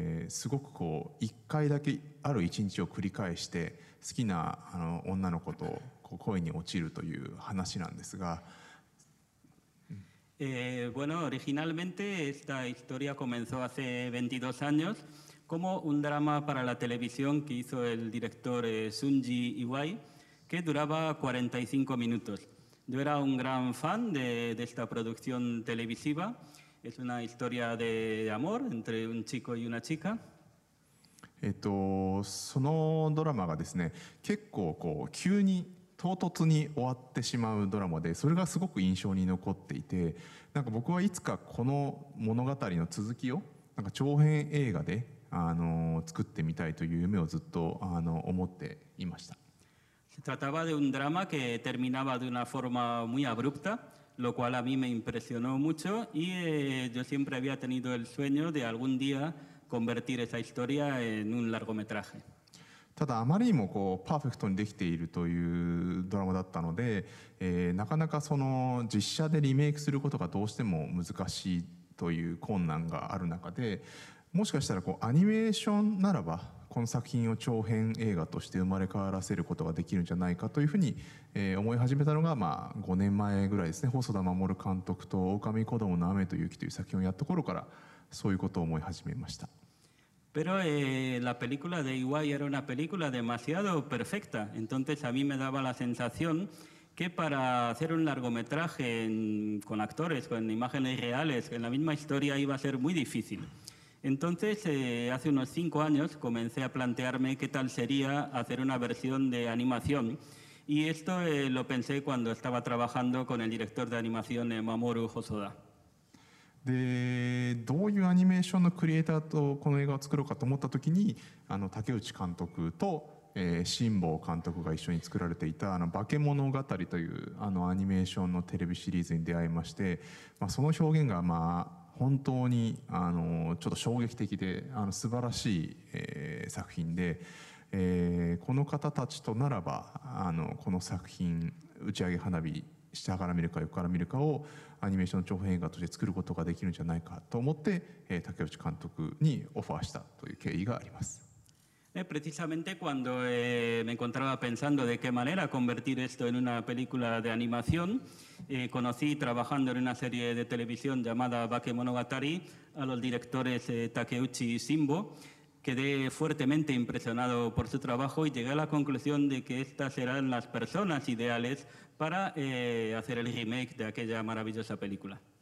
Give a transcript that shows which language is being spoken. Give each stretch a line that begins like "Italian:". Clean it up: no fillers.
Japanese: すごくこう一回だけある一日を繰り返して好きなあの女の子とこう恋に落ちるという話なんですが、
Spanish: Bueno, originalmente esta historia comenzó hace 22 años como un drama para la televisión que hizo el director Sunji Iwai, que duraba 45 minutos. Yo era un gran fan de esta producción televisiva. Es una historia de amor entre un chico y una chica.
Japanese: そのドラマがですね、結構こう急に唐突に終わってしまうドラマで、それがすごく印象に残っていて、なんか僕はいつかこの物語の続きをなんか長編映画で作ってみたいという夢をずっと思っていました。
Spanish: Se trataba de un drama que terminaba de una forma muy abrupta, lo cual a mí me impresionó mucho y yo siempre había tenido el sueño de algún día convertir esa historia en un largometraje.
Japanese: ただあまりにもこうパーフェクトにできているというドラマだったので、なかなかその実写でリメイクすることがどうしても難しいという困難がある中で、もしかしたらこうアニメーションならばこの作品を長編映画として生まれ変わらせることができるんじゃないかというふうに、思い始めたのが、まあ、5年前ぐらいですね。細田守監督と狼子供の雨と雪という作品をやった頃からそういうことを思い始めました。
Spanish: Pero la película de Iwai era una película demasiado perfecta. Entonces a mí me daba la sensación que para hacer un largometraje con actores, con imágenes reales, en la misma historia iba a ser muy difícil. Entonces hace unos 5 años comencé a plantearme qué tal sería hacer una versión de animación. Y esto lo pensé cuando estaba trabajando con el director de animación Mamoru Hosoda.
Japanese: でどういうアニメーションのクリエイターとこの映画を作ろうかと思った時に、あの竹内監督と、辛坊監督が一緒に作られていた「あの化け物語」というあのアニメーションのテレビシリーズに出会いまして、まあ、その表現がまあ本当にあのちょっと衝撃的で、あの素晴らしい、作品で、この方たちとならばあのこの作品打ち上げ花火下から見るか横から見るかをアニメーションの長編映画として作ることができるんじゃないかと思って竹内監督にオファーしたという経緯があります。
Spanish: Precisamente cuando me encontraba pensando de qué manera convertir esto en una película de animación conocí trabajando en una serie de televisión llamada Bakemonogatari a los directores Takeuchi y Shinbo. Quedé fuertemente impresionado por su trabajo y llegué a la conclusión de que estas eran las personas idealesPara hacer el remake de aquella maravillosa película.